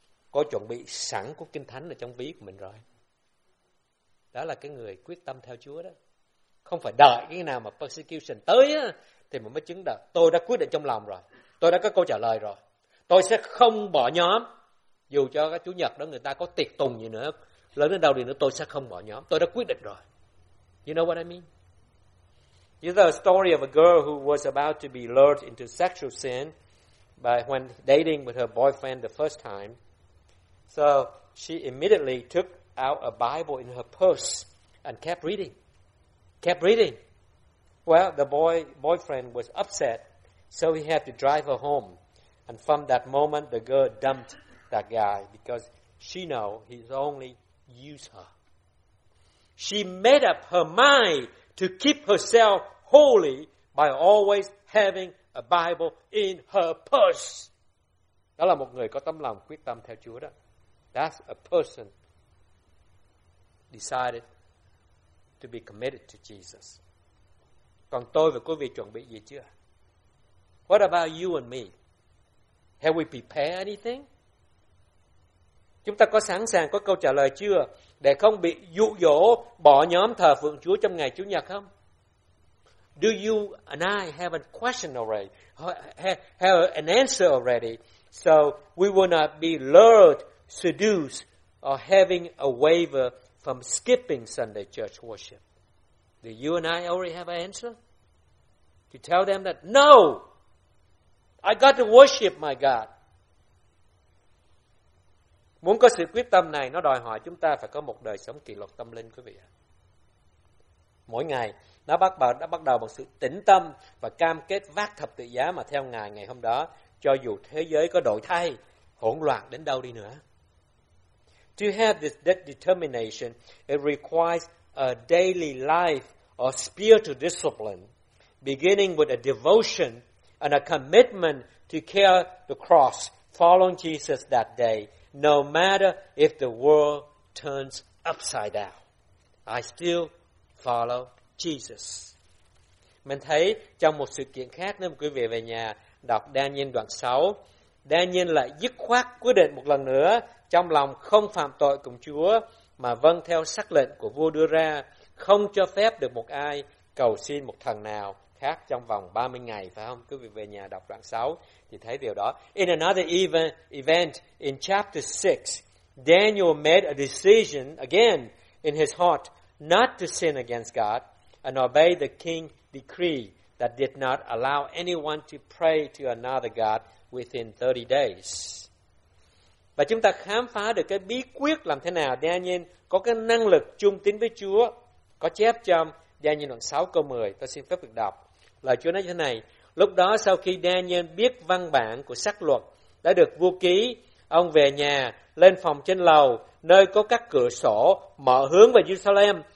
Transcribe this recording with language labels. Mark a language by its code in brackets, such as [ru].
[vi] Cô chuẩn bị sẵn của Kinh Thánh ở trong ví của mình rồi. Đó là cái người quyết tâm theo Chúa đó. Không phải đợi cái nào mà persecution tới á, thì mình mới chứng đạt. Tôi đã quyết định trong lòng rồi. Tôi đã có câu trả lời rồi. Tôi sẽ không bỏ nhóm. Dù cho cái Chủ nhật đó người ta có tiệc tùng gì nữa, lớn đến đâu đi nữa, tôi sẽ không bỏ nhóm. Tôi đã quyết định rồi. [en] You know what I mean? You know the story of a girl who was about to be lured into sexual sin by when dating with her boyfriend the first time. So she immediately took out a Bible in her purse and kept reading. Kept reading. Well, the boyfriend was upset, so he had to drive her home. And from that moment, the girl dumped that guy because she knew he's only used her. She made up her mind to keep herself holy by always having a Bible in her purse. [vi] Đó là một người có tấm lòng quyết tâm theo Chúa đó. [en] That's a person decided to be committed to Jesus. [vi] Còn tôi và quý vị chuẩn bị gì chưa? [en] What about you and me? Have we prepared anything? [vi] Chúng ta có sẵn sàng có câu trả lời chưa để không bị dụ dỗ bỏ nhóm thờ phượng Chúa trong ngày Chủ nhật không? [en] Do you and I have a question already? Have an answer already? So we will not be lured, seduced, or having a waiver from skipping Sunday church worship. Do you and I already have an answer? To tell them that, no, I got to worship my God. [vi] Muốn có sự quyết tâm này, nó đòi hỏi chúng ta phải có một đời sống kỷ luật tâm linh, quý vị ạ. Mỗi ngày, nó bắt đầu bằng sự tĩnh tâm và cam kết vác thập tự giá mà theo Ngài ngày hôm đó, cho dù thế giới có đổi thay, hỗn loạn đến đâu đi nữa. [en] To have this determination, it requires a daily life or spiritual discipline, beginning with a devotion and a commitment to carry the cross, following Jesus that day, no matter if the world turns upside down. I still follow Jesus. [vi] Mình thấy trong một sự kiện khác, nếu quý vị về nhà đọc Daniel đoạn 6, Daniel lại dứt khoát quyết định một lần nữa trong lòng không phạm tội cùng Chúa, mà vâng theo sắc lệnh của vua đưa ra không cho phép được một ai cầu xin một thần nào khác trong vòng 30 ngày, phải không? Quý vị về nhà đọc đoạn 6 thì thấy điều đó. [en] In another event in chapter 6, Daniel made a decision again in his heart not to sin against God and obey the king's decree that did not allow anyone to pray to another God within 30 days. [vi] Và chúng ta khám phá được cái bí quyết làm thế nào Daniel có cái năng lực trung tín với Chúa, có chép trong Daniel đoạn 6 câu 10. Tôi xin phép được đọc. Lời Chúa nói như thế này: lúc đó sau khi Daniel biết văn bản của sắc luật đã được vua ký, ông về nhà, lên phòng trên lầu, nơi có các cửa sổ mở hướng về Jerusalem.